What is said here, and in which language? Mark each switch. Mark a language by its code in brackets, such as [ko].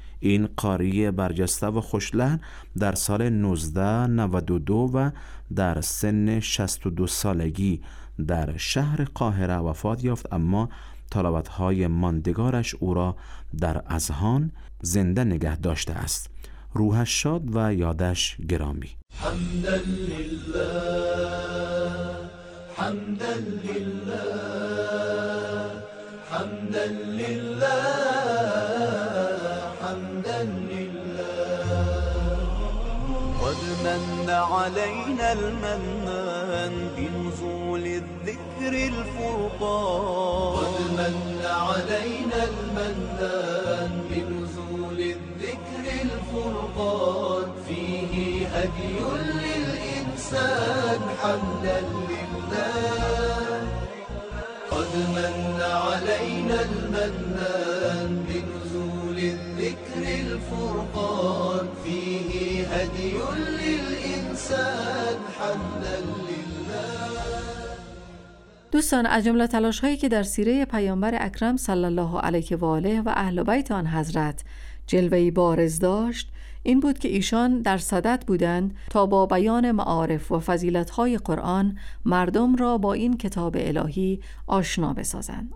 [fa] این قاری برجسته و خوش‌لحن در سال 1992 و در سن 62 سالگی در شهر قاهره وفات یافت، اما تلاوت‌های ماندگارش او را در اذهان زنده نگه داشته است. روحش شاد و یادش گرامی. [ar] حمدالله حمدالله حمدالله حمدالله قد من علينا المنان بنزول الذكر الفرقان قد من علينا المنان بنزول الذكر الفرقان فيه هدي للإنسان حمدا لله قد من علينا المنان بنزول الذكر الفرقان فيه هدي للإنسان حمدا لله. [fa] دوستان، از جمله تلاش هایی که در سیره پیامبر اکرم صلی الله علیه و آله و اهل بیت آن حضرت جلوه‌ای بارز داشت این بود که ایشان در صدد بودند تا با بیان معارف و فضیلت های قرآن مردم را با این کتاب الهی آشنا بسازند.